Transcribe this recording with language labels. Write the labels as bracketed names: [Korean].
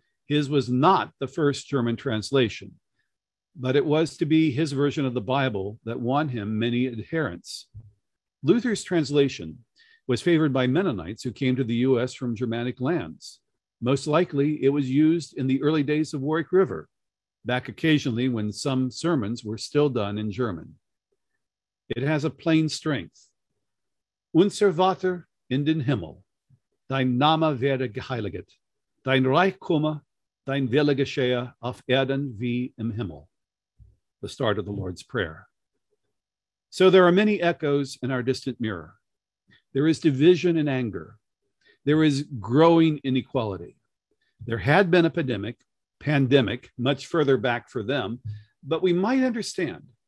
[English] His was not the first German translation, but it was to be his version of the Bible that won him many adherents. Luther's translation was favored by Mennonites who came to the U.S. from Germanic lands. Most likely, it was used in the early days of Warwick River, back occasionally when some sermons were still done in German. It has a plain strength. [German] Unser Vater in den Himmel, dein Name werde geheiligt, dein Reich komme, dein Wille geschehe auf Erden wie im Himmel. [English] The start of the Lord's Prayer. So there are many echoes in our distant mirror. There is division and anger. There is growing inequality. There had been a pandemic, much further back for them, but we might understand.